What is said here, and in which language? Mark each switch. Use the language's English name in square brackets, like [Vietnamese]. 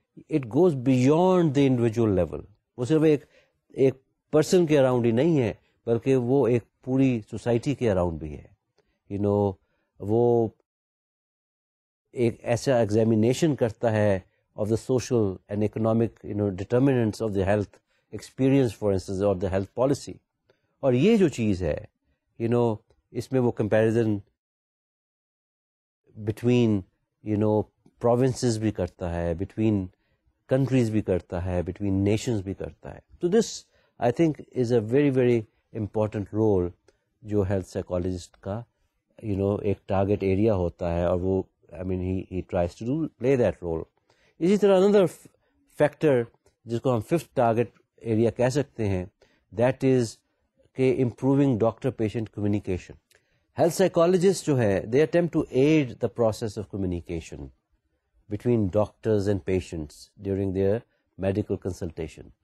[English] It goes beyond the individual level. [Urdu] وہ صرف ایک پرسن کے اراؤنڈ ہی نہیں ہے بلکہ وہ ایک پوری سوسائٹی کے اراؤنڈ بھی ہے. [English] you know [Urdu] وہ ایک ایسا ایگزامینیشن کرتا ہے [English] of the social and economic, you know, determinants of the health experience, for instance, or the health policy. [Urdu] Aur ye jo cheez hai, [English] you know, [Urdu] isme wo [English] comparison between, you know, provinces [Urdu] bhi karta hai, [English] between countries [Urdu] bhi karta hai, [English] between nations [Urdu] bhi karta hai. [English] So this, I think, is a very, very important role [Urdu] jo health psychologist ka, [English] you know, [Urdu] ek target area hota hai, aur wo, [English] I mean, he tries to play that role. [Urdu] اسی طرح اندر factor جس کو ہم fifth target area کہہ سکتے ہیں, [English] that is [Urdu] کہ [English] Improving doctor patient communication. Health psychologist [Urdu] جو ہے [English] They attempt to aid the process of communication between doctors and patients during their medical consultation.